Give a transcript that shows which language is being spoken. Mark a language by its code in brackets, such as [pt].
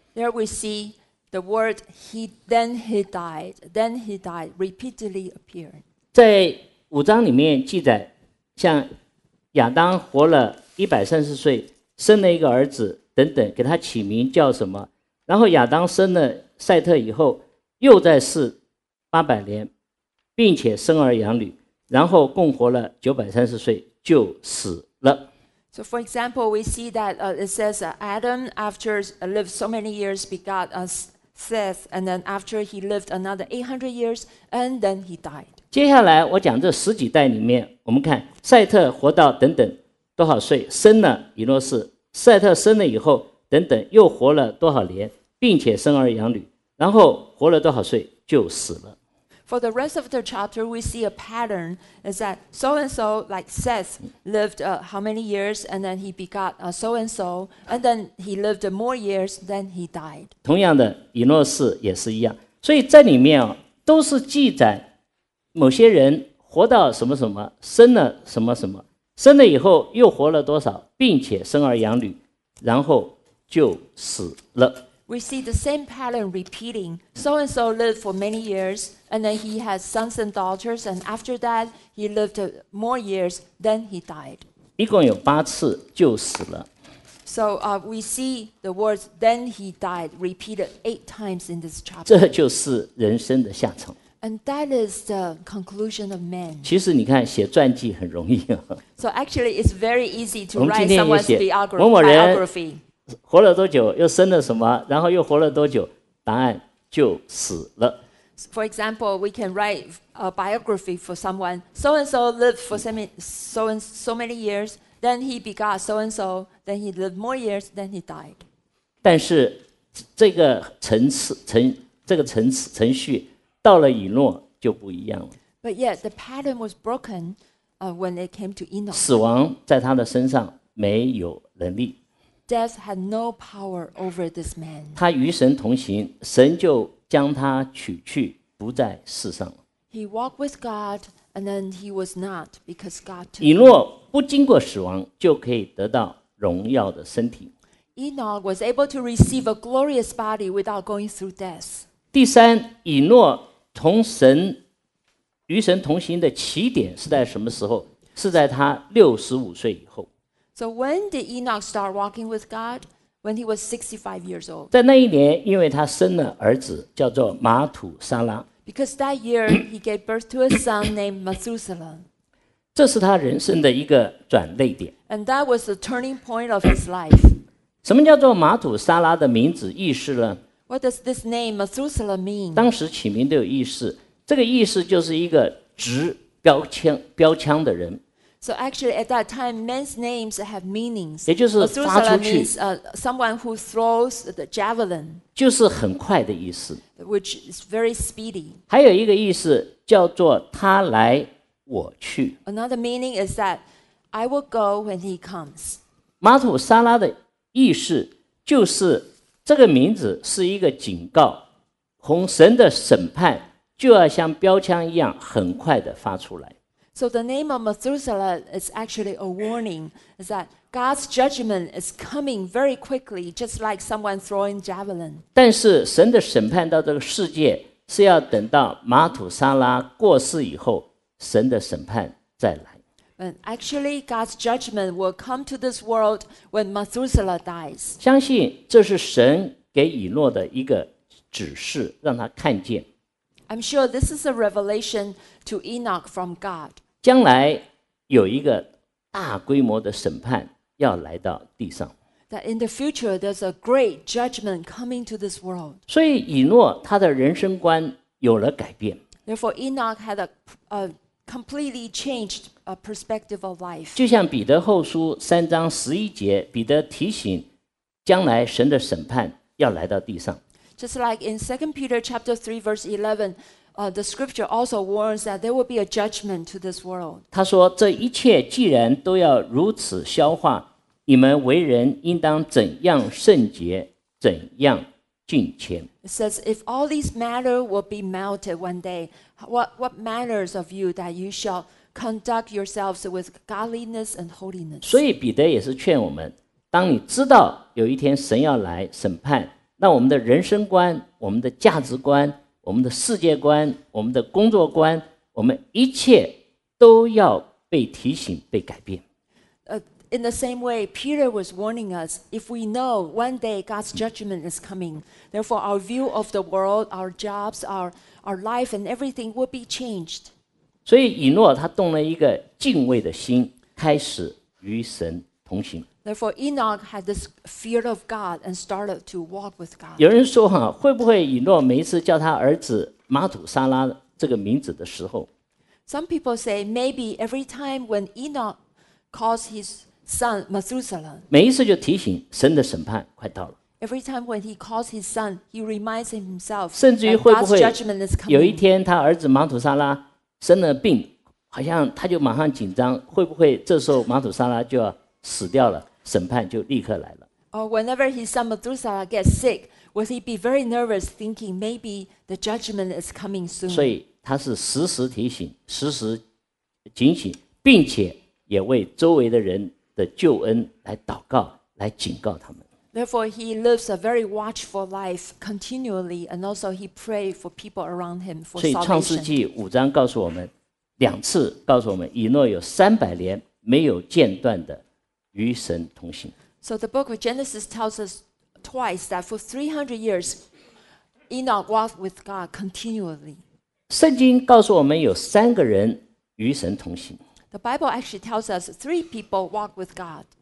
[en] There we see the word then he died repeatedly appear. [zh] 在五章里面记载，像亚当活了130岁，生了一个儿子等等，给他起名叫什么。然后亚当生了赛特以后，又在世800年，并且生儿养女，然后共活了930岁就死了。 [en] So for example, we see that it says Adam after lived so many years begot Seth, and then after he lived another 800 years, and then he died. [zh] 接下来我讲这十几代里面，我们看赛特活到等等多少岁，生了以诺士，赛特生了以后等等又活了多少年，并且生儿养女，然后活了多少岁就死了。 [en] For the rest of the chapter, we see a pattern is that so and so, like Seth, lived how many years, and then he begot so and so, and then he lived more years, then he died. [zh] 同样的，以诺士也是一样。所以在里面都是记载某些人活到什么什么，生了什么什么，生了以后又活了多少，并且生儿养女，然后就死了。 [en] We see the same pattern repeating. So and so lived for many years, and then he had sons and daughters, and after that he lived more years, then he died. [zh] 一共有八次就死了。 [en] So we see the words "then he died" repeated eight times in this chapter. [zh] 这就是人生的下场。 [en] And that is the conclusion of man. [zh] 其实你看写传记很容易。 [en] So actually, it's very easy to write someone's biography. [zh] 活了多久，又生了什么，然后又活了多久，答案就死了。 [en] For example, we can write a biography for someone. So and so lived for so many years. Then he begot so and so. Then he lived more years. Then he died. [zh] 但是这个程序。到了以诺就不一样了。 [en] But yet the pattern was broken, when it came to Enoch. [zh] 死亡在他的身上没有能力。 [en] Death had no power over this man. [zh] 他与神同行，神就将他娶去，不在世上了。 [en] He walked with God, and then he was not because God took him. [zh] 以诺不经过死亡就可以得到荣耀的身体。 [en] Enoch was able to receive a glorious body without going through death. [zh] 第三，以诺同神与神同行的起点是在什么时候？是在他65岁以后。 [en] So when did Enoch start walking with God? When he was 65 years old. [zh] 在那一年，因为他生了儿子，叫做马土沙拉。 [en] Because that year he gave birth to a son named Methuselah. [zh] 这是他人生的一个转捩点。 [en] And that was the turning point of his life. [zh] 什么叫做马土沙拉的名字意思呢？ [en] What does this name Methuselah mean? [zh] 当时起名都有意思，这个意思就是一个直标枪的人。 [en] So actually, at that time, men's names have meanings. [zh] 也就是发出去。 [en] Someone who throws the javelin. [zh] 就是很快的意思。 [en] Which is very speedy. [zh] 还有一个意思叫做他来我去。 [en] Another meaning is that I will go when he comes. [zh] 马土沙拉的意思就是这个名字是一个警告，从神的审判就要像标枪一样很快的发出来。 [en] So the name of Methuselah is actually a warning, is that God's judgment is coming very quickly, just like someone throwing javelin. [zh] 但是神的审判到这个世界是要等到马土沙拉过世以后，神的审判再来。 [en] But actually, God's judgment will come to this world when Methuselah dies. [zh] 相信这是神给以诺的一个指示，让他看见。 [en] I'm sure this is a revelation to Enoch from God. [zh] 将来有一个大规模的审判要来到地上。 [en] That in the future, there's a great judgment coming to this world. [zh] 所以以诺他的人生观有了改变。 [en] Therefore, Enoch had a completely changed perspective of life. [zh] 就像彼得后书三章十一节，彼得提醒，将来神的审判要来到地上。 [en] Just like in 2 Peter chapter 3 verse 11, the scripture also warns that there will be a judgment to this world. [zh] 他说这一切既然都要如此消化，你们为人应当怎样圣洁，怎样敬虔。 [en] It says if all these matters will be melted one day, what manners of you that you shall conduct yourselves with godliness and holiness. [zh] 所以彼得也是劝我们，当你知道有一天神要来审判，那我们的人生观，我们的价值观，我们的世界观，我们的工作观，我们一切都要被提醒，被改变。 [en] In the same way, Peter was warning us, if we know one day God's judgment is coming, therefore our view of the world, our jobs, our life and everything will be changed. [zh] 所以以诺他动了一个敬畏的心，开始与神同行。 [en] Therefore, Enoch had this fear of God and started to walk with God. [zh] 有人说，会不会以诺每一次叫他儿子马土沙拉这个名字的时候 [en] ？Some people say maybe every time when Enoch calls his son Methuselah, [zh] 每一次就提醒神的审判快到了。 [en] Every time when he calls his son, he reminds himself. [zh] 甚至于会不会有一天他儿子马土沙拉生了病，好像他就马上紧张，会不会这时候马土沙拉就要？死掉了，审判就立刻来了。 [en] Or whenever his son Methuselah gets sick, will he be very nervous, thinking maybe the judgment is coming soon? [zh] 所以他是时时提醒，时时警醒，并且也为周围的人的救恩来祷告，来警告他们。 [en] Therefore, he lives a very watchful life continually, and also he prays for people around him for salvation. [zh] 所以创世纪五章告诉我们，两次告诉我们，以诺有三百年没有间断的。与神同行。 [en] So the book of Genesis tells us twice that for 300 years, Enoch walked with God continually. [zh] 圣经告诉我们有三个人与神同行。 [en] The Bible actually tells us three people walked with God.